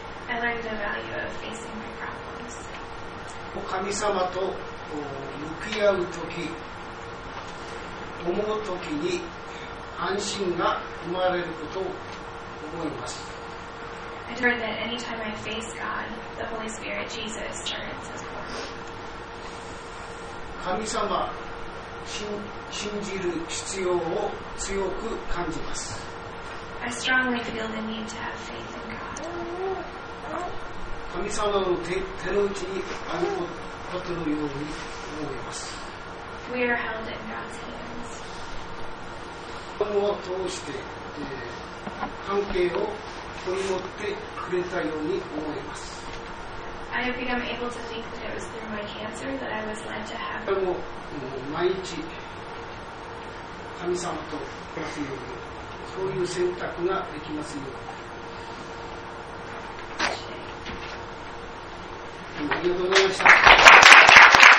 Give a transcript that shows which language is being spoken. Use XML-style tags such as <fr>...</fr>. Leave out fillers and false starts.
<en>I learned the value of facing my problems.</en> <ja>神様と向き合うとき、思うときに安心が生まれることを覚えます。</ja> <en>I learned that any time I face God, the Holy Spirit, Jesus, turns as well.</en> <ja>神様、信じる必要を強く感じます。</ja> <en>I strongly feel the need to have faith in God.</en> <ja>神様の手の内にあることのように思います。</ja> <en>We are held in God's hands.</en> <ja>神を通して、関係を取り持ってくれたように思います。</ja> <en>I have become able to think that it was through my cancer that I was led to have.</en> <ja>でも毎日神様と暮らすようにそういう選択ができますように。ありがとうございました。</ja>